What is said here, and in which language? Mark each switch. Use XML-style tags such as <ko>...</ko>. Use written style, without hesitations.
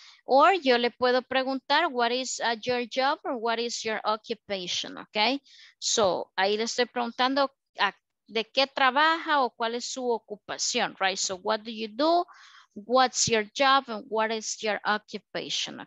<en>Or</en> <es>yo le puedo preguntar,</es> <en>what is your job or what is your occupation? Okay?</en> <es>So, ahí le estoy preguntando, ¿de qué trabaja o cuál es su ocupación?</es> <en>Right? So, what do you do? What's your job and what is your occupation?</en>